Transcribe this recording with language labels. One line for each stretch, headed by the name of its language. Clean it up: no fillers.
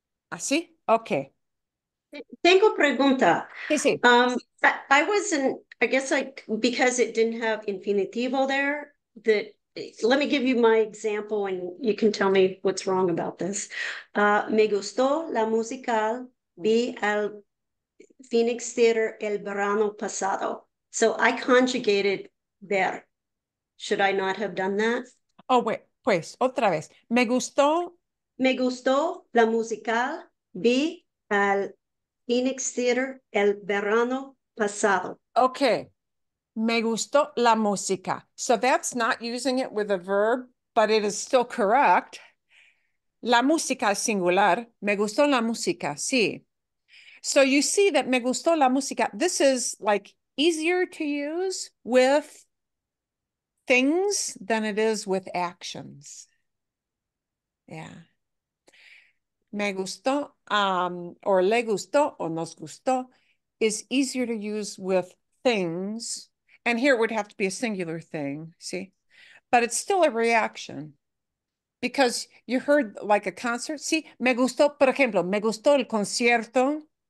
Spanish: ¿Así?
English: Okay.
Spanish: Tengo pregunta. Sí, sí.
English: I wasn't, I guess like, because it didn't have infinitivo there, that let me give you my example and you can tell me what's wrong about this.
Spanish: Me gustó la musical, vi al Phoenix Theater el verano pasado.
English: So I conjugated ver. Should I not have done that? Oh, wait,
Spanish: pues, otra vez. Me gustó la musical, vi al Phoenix Theater el verano pasado.
English: Okay.
Spanish: Me gustó la música.
English: So that's not using it with a verb, but it is still correct.
Spanish: La música es singular. Me gustó la música. Sí.
English: So you see that
Spanish: me gustó la música.
English: This is like easier to use with things than it is with actions. Yeah.
Spanish: Me gustó
English: or
Spanish: le gustó o nos gustó
English: is easier to use with things. And here it would have to be a singular thing, see? But it's still a reaction because you heard like a concert. See,
Spanish: me gustó, por ejemplo, me gustó el concierto.